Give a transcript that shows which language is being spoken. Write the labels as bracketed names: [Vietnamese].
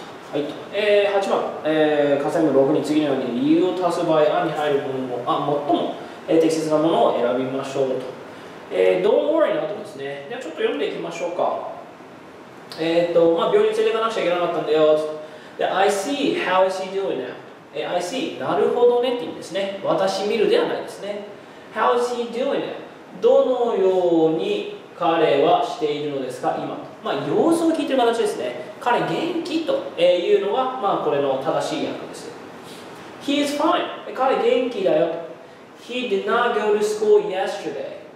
[Japanese] はい、8番、下線部6に次のように理由を足す場合案に入るものも最も適切なものを選びましょうと。 [English] Don't worry [Japanese] の後ですね。ではちょっと読んでいきましょうか。病院に連れていかなくちゃいけなかったんだよ。 [English] で、I see, how is he doing now? I see, [Japanese] なるほどねって言うんですね。私見るではないですね。 [English] How is he doing now? [Japanese] どのように彼はしているのですか今。様子を聞いてる形ですね。彼元気というのが、これの正しい訳です。 [English] He is fine. [Japanese] 彼元気だよ。 [English] He did not go to school yesterday.